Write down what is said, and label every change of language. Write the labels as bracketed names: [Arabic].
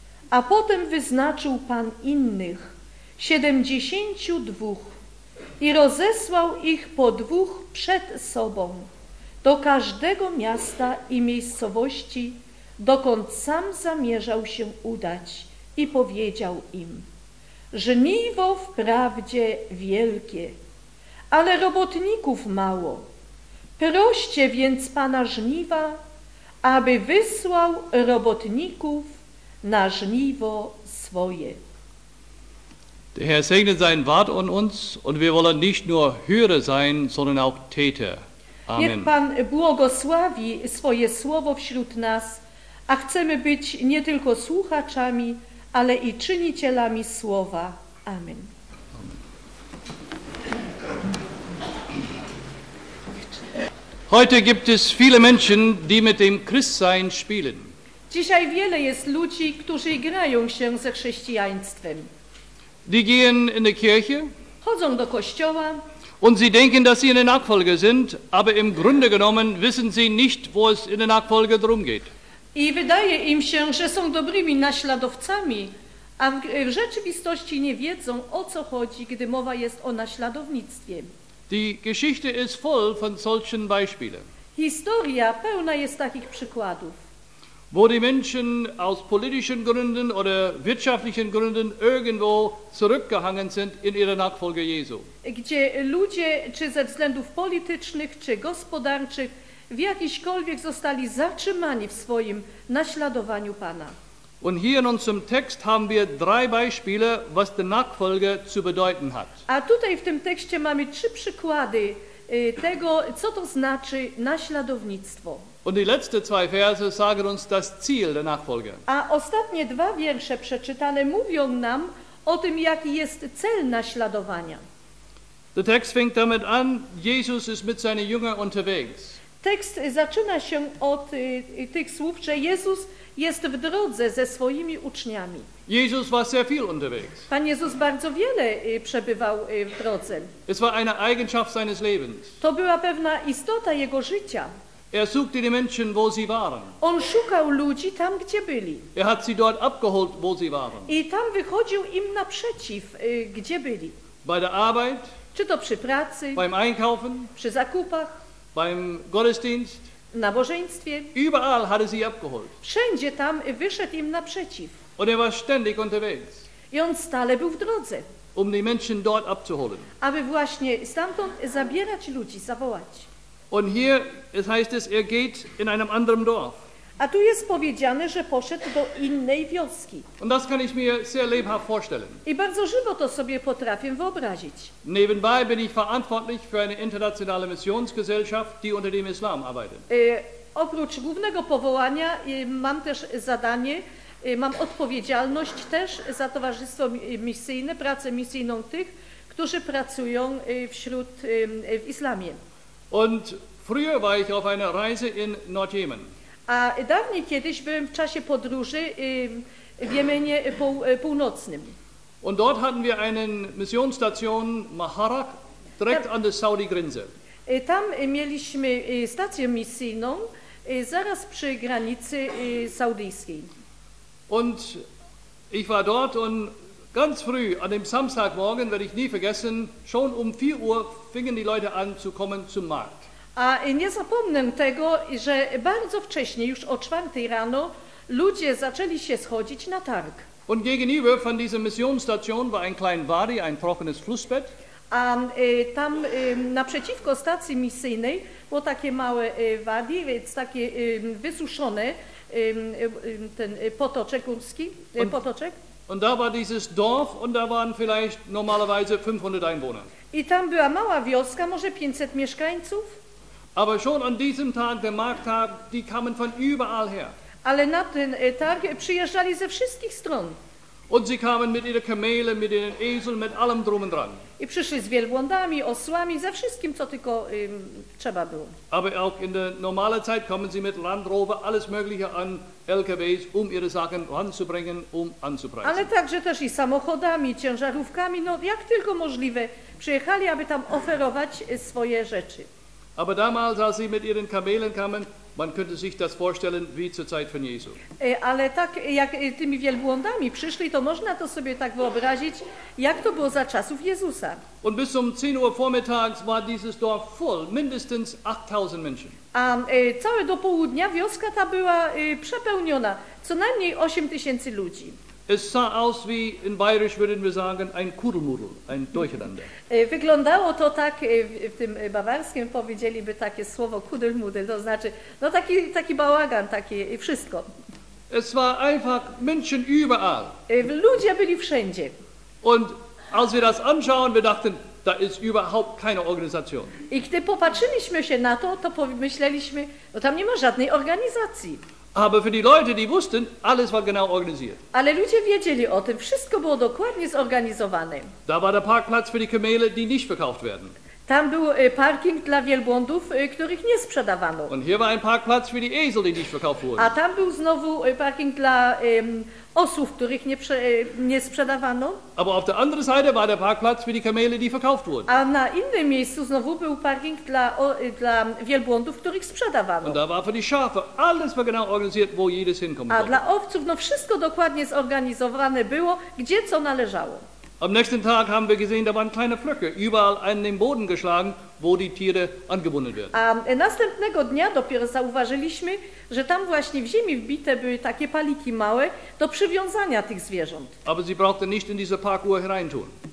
[Polish] A potem wyznaczył Pan innych 72 i rozesłał ich po dwóch przed sobą do każdego miasta i miejscowości, dokąd sam zamierzał się udać, i powiedział im: żniwo wprawdzie wielkie, ale robotników mało. Proście więc Pana żniwa, aby wysłał robotników na żniwo swoje. [German] Der Herr segnet sein Wort an uns, und wir wollen nicht nur Hörer sein, sondern auch Täter. Amen. [Polish] Niech Pan błogosławi swoje słowo wśród nas, a chcemy być nie tylko słuchaczami, ale i czynicielami słowa. Amen. [German] Heute gibt es viele Menschen, die mit dem Christsein spielen. [Polish] Dzisiaj wiele jest ludzi, którzy grają się ze chrześcijaństwem. [German] Die gehen in die Kirche. [Polish] chodzą do kościoła. [German] Und sie denken, dass sie in der Nachfolge sind, aber im Grunde genommen wissen sie nicht, wo es in der Nachfolge drum geht. [Polish] I wydaje im się, że są dobrymi naśladowcami, a w rzeczywistości nie wiedzą, o co chodzi, gdy mowa jest o naśladownictwie. [German] Die Geschichte ist voll von solchen Beispielen. [Polish] Historia pełna jest takich przykładów. [German] Wo die Menschen aus politischen Gründen oder wirtschaftlichen Gründen irgendwo zurückgehangen sind in ihrer Nachfolge Jesu. [Polish] Gdzie ludzie, czy ze względów politycznych, czy gospodarczych, w jakiśkolwiek zostali zatrzymani w swoim naśladowaniu Pana. [German] Und hier in unserem Text haben wir drei Beispiele, was die Nachfolge zu bedeuten hat. [Polish] A tutaj w tym tekście mamy trzy przykłady tego, co to znaczy naśladownictwo. [German] Und die letzten zwei Verse sagen uns das Ziel der Nachfolge. [Polish] A ostatnie dwa wiersze przeczytane mówią nam o tym, jaki jest cel naśladowania. [German] Der Text fängt damit an, Jesus ist mit seinen Jüngern unterwegs. [Polish] Tekst zaczyna się od tych słów, że Jezus jest w drodze ze swoimi uczniami. [German] Jesus war sehr viel unterwegs. [Polish] Pan Jezus bardzo wiele przebywał w drodze. [German] Es war eine Eigenschaft seines Lebens. [Polish] To była pewna istota jego życia. [German] Er suchte die Menschen, wo sie waren. [Polish] On szukał ludzi tam, gdzie byli. [German] Er hat sie dort abgeholt, wo sie waren. [Polish] I tam wychodził im naprzeciw, gdzie byli. [German] Bei der Arbeit, [Polish] czy to przy pracy, [German] beim Einkaufen, [Polish] przy zakupach, [German] beim Gottesdienst, [Polish] nabożeństwie. [German] Überall hatte sie abgeholt. [Polish] Wszędzie tam wyszedł im naprzeciw. [German] Und er war ständig unterwegs. [Polish] I on stale był w drodze. [German] Um die Menschen dort abzuholen. [Polish] Aby właśnie stamtąd zabierać ludzi, zawołać. [German] Und hier es heißt es, er geht in einem anderen Dorf. [Polish] A tu jest powiedziane, że poszedł do innej wioski. [German] Und das kann ich mir sehr lebhaft vorstellen. [Polish] I bardzo żywo to sobie potrafię wyobrazić. [German] Nebenbei bin ich verantwortlich für eine internationale Missionsgesellschaft, die unter dem Islam arbeitet. [Polish] Oprócz głównego powołania mam też zadanie, mam odpowiedzialność też za towarzystwo misyjne, pracę misyjną tych, którzy pracują wśród w islamie. [German] Und früher war ich auf einer Reise in Nordjemen. [Polish] A dawniej kiedyś byłem w czasie podróży w Jemenie północnym. [German] Und dort hatten wir eine Missionsstation Maharak direkt an der Saudi Grenze. [Polish] Tam mieliśmy stację misyjną zaraz przy granicy saudyjskiej. [German] Und ich war dort und ganz früh an dem Samstagmorgen werde ich nie vergessen, schon um 4 Uhr fingen die Leute an zu kommen zum Markt. [Polish] A nie zapomnę tego, że bardzo wcześnie, już o 4 rano, ludzie zaczęli się schodzić na targ. [German] Und gegenüber von dieser Missionsstation war ein kleiner Wadi, ein trockenes Flussbett. [Polish] A tam naprzeciwko stacji misyjnej było takie małe Wadi, więc takie wysuszone ten potoczek górski, potoczek. [German] Und da war dieses Dorf und da waren vielleicht normalerweise 500 Einwohner. [Polish] I tam była mała wioska, może 500 mieszkańców. [German] Aber schon an diesem Tag, der Markttag, die kamen von überall her. [Polish] Ale na ten Tag przyjeżdżali ze wszystkich stron. [German] Und sie kamen mit ihren Kamelen, mit ihren Eseln, mit allem drum und dran. [Polish] I przyszli z wielbłądami, osłami, ze wszystkim, co tylko trzeba było. [German] Aber auch in der normalen Zeit kommen sie mit Land Rover, alles mögliche an LKWs, um ihre Sachen ranzubringen, um anzupreisen. [Polish] Ale także też i samochodami, ciężarówkami, no jak tylko możliwe, przyjechali, aby tam oferować swoje rzeczy. [German] Aber damals, als sie mit ihren Kamelen kamen, man könnte sich das vorstellen wie zur Zeit von Jesu. [Polish] Ale tak jak tymi wielbłądami przyszli, to można to sobie tak wyobrazić, jak to było za czasów Jezusa. [German] Und bis um 10 Uhr vormittags war dieses Dorf voll, mindestens 8000 Menschen. [Polish] A całe do południa wioska ta była przepełniona, co najmniej 8000 ludzi. [German] Es sah aus wie in Bayerisch würden wir sagen ein Kuddelmuddel, ein Durcheinander. [Polish] Wyglądało to tak w tym bawarskim powiedzieliby takie słowo Kuddelmuddel, to znaczy no taki bałagan, takie wszystko. [German] Es war einfach Menschen überall. [Polish] Ludzie byli wszędzie. [German] Und als wir das anschauen, wir dachten, da ist überhaupt keine Organisation. [Polish] I gdy popatrzyliśmy się na to, to pomyśleliśmy, no tam nie ma żadnej organizacji. [German] Aber für die Leute, die wussten, alles war genau organisiert. [Polish] Ale ludzie wiedzieli o tym, wszystko było dokładnie zorganizowane. [German] Da war der Parkplatz für die Kamele, die nicht verkauft werden. [Polish] Tam był parking dla wielbłądów, których nie sprzedawano. [German] Und hier war ein Parkplatz für die Esel, die nicht verkauft wurden. [Polish] A tam był znowu parking dla osłów, których nie sprzedawano. [German] Aber auf der anderen Seite war der Parkplatz für die Kamele, die verkauft wurden. [Polish] A na innym miejscu znowu był parking dla wielbłądów, których sprzedawano. [German] Und da war für die Schafe, alles war genau organisiert, wo jedes hinkommen sollte. [Polish] A dla owców, no wszystko dokładnie zorganizowane było, gdzie co należało. [German] Am nächsten Tag haben wir gesehen, da waren kleine Flöcke überall an den Boden geschlagen, wo die Tiere angebunden werden. [Polish] A następnego dnia dopiero zauważyliśmy, że tam właśnie w ziemi wbite były takie paliki małe do przywiązania tych zwierząt. [German] Aber sie brauchte nicht in diese Parkuhr hereintun.